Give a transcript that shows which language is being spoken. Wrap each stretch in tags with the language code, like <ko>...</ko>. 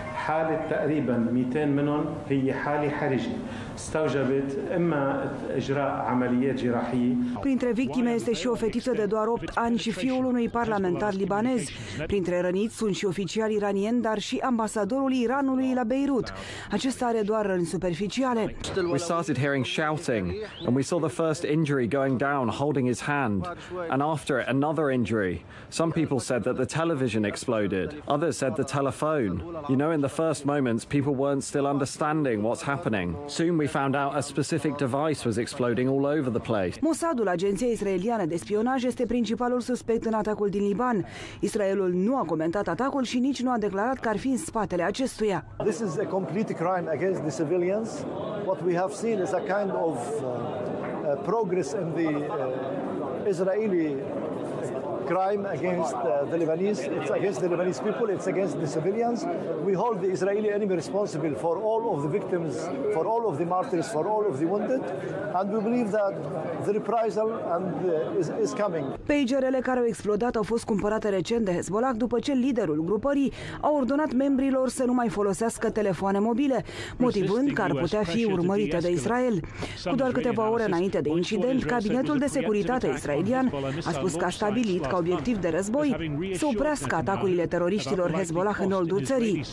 <ar>حالة تقريبا 200 منهم هي حالة حرجة استوجبت إما إجراء عمليات جراحية.</ar> <ro>Printre victime este și o fetiță de doar 8 ani și fiul unui parlamentar libanez. Printre răniți sunt și oficiali iranieni, dar și ambasadorul Iranului la Beirut. Acesta are doar răni superficiale.</ro> <en>We started hearing shouting and we saw the first injury going down holding his hand and after it another injury. Some people said that the television exploded. Others said the telephone. You know, in the first moments people weren't still understanding what's happening. Soon we found out a specific device was exploding all over the place.</en> <ro>Mossadul, agenția israeliană de spionaj, este principalul suspect în atacul din Liban. Israelul nu a comentat atacul și nici nu a declarat că ar fi în spatele acestuia.</ro> <en>This is a complete crime against the civilians. What we have seen is a kind of progress in the Israeli crime against the Lebanese. It's against the Lebanese people, it's against the civilians. We hold the Israeli enemy responsible for all of the victims, for all of the martyrs, for all of the wounded, and we believe that the reprisal is coming.</en> <ro>Pagerele care au explodat au fost cumpărate recent de Hezbollah după ce liderul grupării a ordonat membrilor să nu mai folosească telefoane mobile, motivând că ar putea fi urmărită de Israel. Cu doar câteva ore înainte de incident, Cabinetul de Securitate israelian a spus că a stabilit ca obiectiv de război să oprească atacurile teroriștilor Hezbollah în nordul țării.</ro>